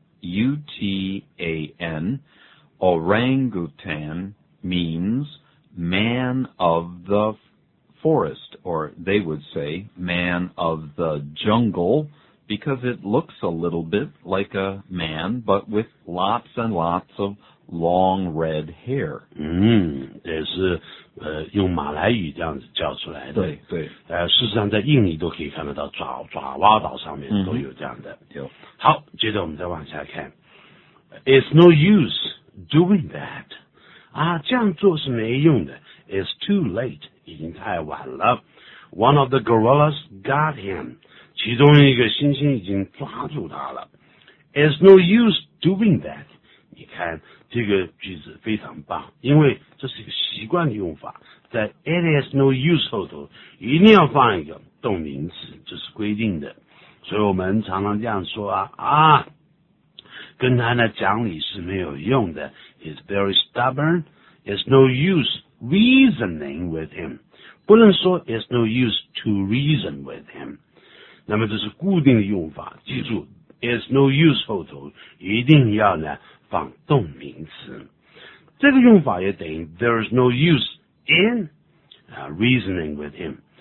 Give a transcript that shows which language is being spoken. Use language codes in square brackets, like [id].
[en] U-T-A-N, orangutan means man of the forest, or they would say man of the jungle, because it looks a little bit like a man, but with lots and lots of long red hair. [zh] 也是用马来语这样子叫出来的。对。事实上在印尼都可以看得到爪哇岛上面都有这样的。有。好，接着我们再往下看。 [en] It's no use doing that. [zh] 啊，这样做是没用的。 [en] It's too late. [zh] 已经太晚了。 [en] One of the gorillas got him. [zh] 其中一个猩猩已经抓住他了。 [en] It's no use doing that. [zh] 你看这个句子非常棒，因为这是一个习惯的用法，在 [en] it is no use [zh] 后头一定要放一个动名词，这是规定的。所以我们常常这样说啊，跟他呢讲理是没有用的。 [en] He's very stubborn. It's no use reasoning with him. [zh] 不能说 [en] it's no use to reason with him. [zh] 那么这是固定的用法，记住 [en] it's no use [zh] 后头一定要呢放动名词。这个用法也等于 [en] there is no use in reasoning with him。